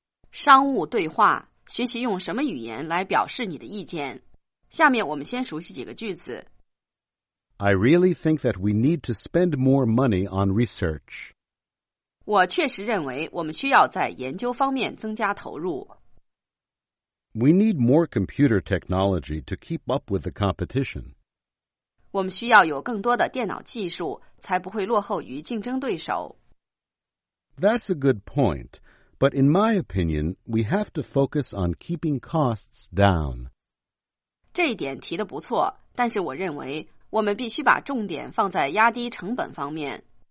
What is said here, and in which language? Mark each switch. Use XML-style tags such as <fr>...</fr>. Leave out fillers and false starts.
<zh>商务对话，学习用什么语言来表示你的意见。下面我们先熟悉几个句子。</zh> <en>I really think that we need to spend more money on research.</en> <zh>我确实认为我们需要在研究方面增加投入。</zh> <en>We need more computer technology to keep up with the competition.</en> <zh>我们需要有更多的电脑技术，才不会落后于竞争对手。</zh> <en>That's a good point, but in my opinion, we have to focus on keeping costs down.</en> <zh>这一点提得不错，但是我认为我们必须把重点放在压低成本方面。</zh>